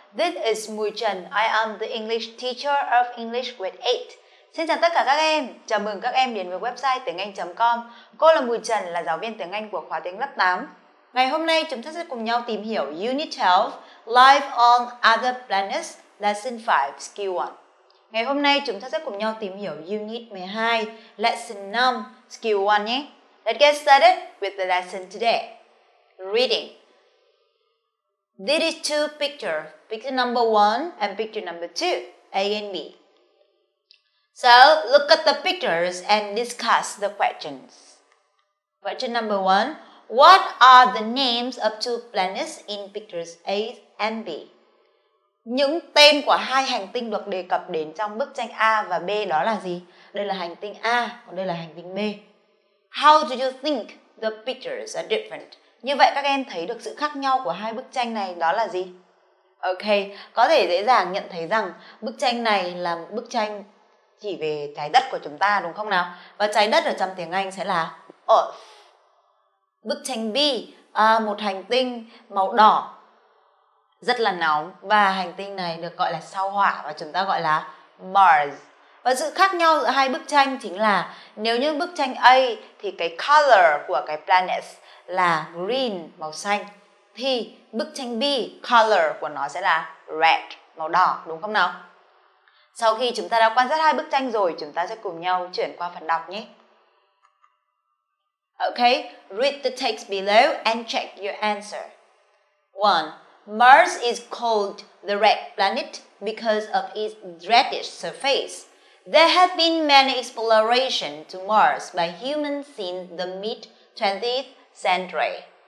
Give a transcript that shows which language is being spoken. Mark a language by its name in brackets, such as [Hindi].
[English] This is Mui Trần, I am the English teacher of English grade 8. [Vietnamese] Xin chào tất cả các em, chào mừng các em đến với website tiengAnh.com. Cô là Mui Trần, là giáo viên tiếng Anh của khóa tiếng lớp 8. Ngày hôm nay chúng ta sẽ cùng nhau tìm hiểu Unit 12, Life on Other Planets, Lesson 5, Skill 1. Ngày hôm nay chúng ta sẽ cùng nhau tìm hiểu Unit 12, Lesson 5, Skill 1 nhé. [English] Let's get started with the lesson today. Reading. This is two pictures, picture number one and picture number two, A and B. So look at the pictures and discuss the questions. Question number one, what are the names of two planets in pictures A and B? [Vietnamese] Những tên của hai hành tinh được đề cập đến trong bức tranh A và B đó là gì? Đây là hành tinh A, còn đây là hành tinh B. [English] How do you think the pictures are different? [Vietnamese] Như vậy các em thấy được sự khác nhau của hai bức tranh này đó là gì? Ok, có thể dễ dàng nhận thấy rằng bức tranh này là bức tranh chỉ về trái đất của chúng ta đúng không nào? Và trái đất ở trong tiếng Anh sẽ là Earth. Bức tranh B, một hành tinh màu đỏ rất là nóng và hành tinh này được gọi là sao hỏa và chúng ta gọi là Mars. Và sự khác nhau giữa hai bức tranh chính là nếu như bức tranh A thì cái color của cái planet là green, màu xanh, thì bức tranh B, color của nó sẽ là red, màu đỏ, đúng không nào? Sau khi chúng ta đã quan sát hai bức tranh rồi, chúng ta sẽ cùng nhau chuyển qua phần đọc nhé. [English] Ok, read the text below and check your answer. 1. Mars is called the red planet because of its reddish surface. There have been many explorations to Mars by humans since the mid-20th century.